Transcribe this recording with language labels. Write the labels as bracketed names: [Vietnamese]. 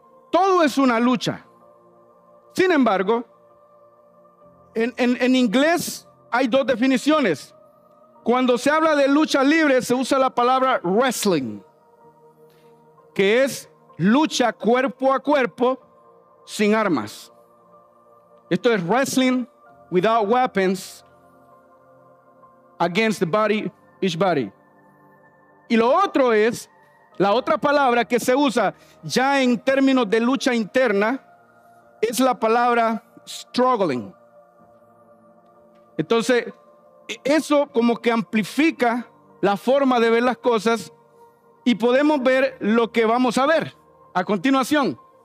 [Spanish] Todo es una lucha. Sin embargo, en inglés hay dos definiciones. Cuando se habla de lucha libre, se usa la palabra wrestling, que es lucha cuerpo a cuerpo sin armas. Esto es [English] wrestling without weapons against the body, each body. [Spanish] Y lo otro es, la otra palabra que se usa ya en términos de lucha interna, es la palabra struggling. Entonces, eso como que amplifica la forma de ver las cosas y podemos ver lo que vamos a ver a continuación.